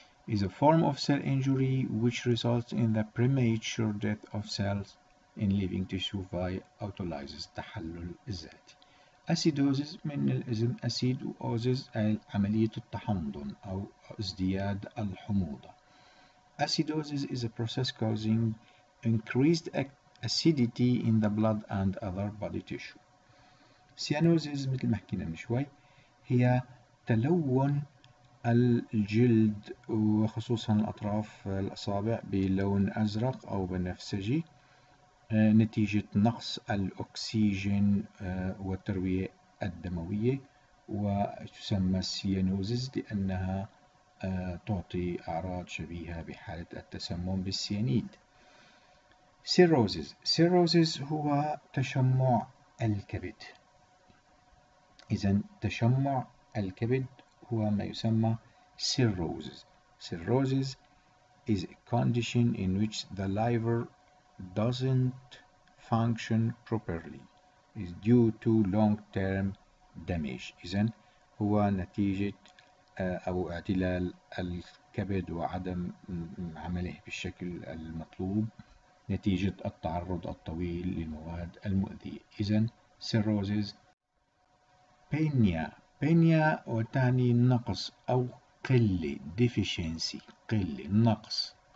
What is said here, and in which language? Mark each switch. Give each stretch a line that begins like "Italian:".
English: is a form of cell injury which results in the premature death of cells in living tissue via autolysis
Arabic: تحلل ذاتي. أسيدوزز من الاسم أسيد، وأوزز عملية التحمضن أو ازدياد الحموضة.
English: Acidosis is a process causing increased acidity in the blood and other body tissue.
Arabic: سيانوزز مثل ما حكينا من شوي هي تلون الجلد وخصوصا الأطراف الأصابع بلون أزرق أو بنفسجي نتيجة نقص الأكسجين والتروية الدموية، وتسمى السيانوزيس لأنها تعطي أعراض شبيهة بحالة التسمم بالسيانيد. سيروزيس هو تشمع الكبد. إذن تشمع الكبد هو ما يسمى سيروزيس.
English: Cirrhosis is a condition in which the liver doesn't function properly is due to long-term damage.
Arabic: إذن هو نتيجة أو اعتلال الكبد وعدم عمله بالشكل المطلوب نتيجة التعرض الطويل للمواد المؤذية. إذن cirrhosis. بينيا وتعني نقص أو قلة، deficiency قلة نقص.